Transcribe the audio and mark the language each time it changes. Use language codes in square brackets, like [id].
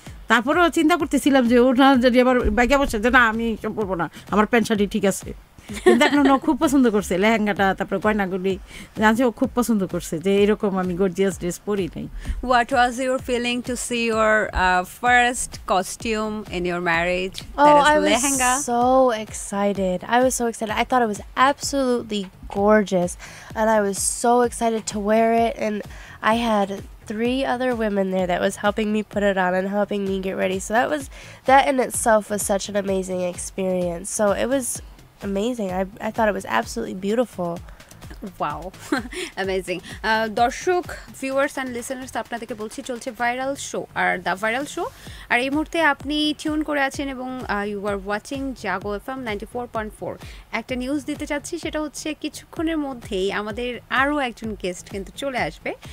[bn] তারপরেও চিন্তা করতেছিলাম যে ওর না যদি আবার ব্যাগে বসে, যে না আমি পরবো না, আমার প্যান্ট শাড়ি ঠিক আছে। দেখলাম ও খুব পছন্দ করছে লেহেঙ্গাটা, তারপরে গয়নাগুলি জানছে ও খুব পছন্দ করছে, যে এরকম আমি গর্জিয়াস ড্রেস পরি নাই। [en] What was your feeling to see your first costume in your marriage? I was so excited. I thought it was absolutely gorgeous and I was so excited to wear it, and I had 3 other women there that was helping me put it on and helping me get ready. So that in itself was such an amazing experience. So it was amazing. I thought it was absolutely beautiful. Wow. Amazing. [bn] দর্শক, [en] viewers and listeners, [bn] আপনাদেরকে বলছি চলছে viral show, are the viral show, আর এই মুহূর্তে আপনি tune করে আছেন এবং [en] you are watching [bn] Jago F M 94.4। একটা নিউজ দিতে চাচ্ছি, সেটা হচ্ছে কিছুক্ষণের মধ্যেই আমাদের আরও একজন গেস্ট কিন্তু চলে আসবে।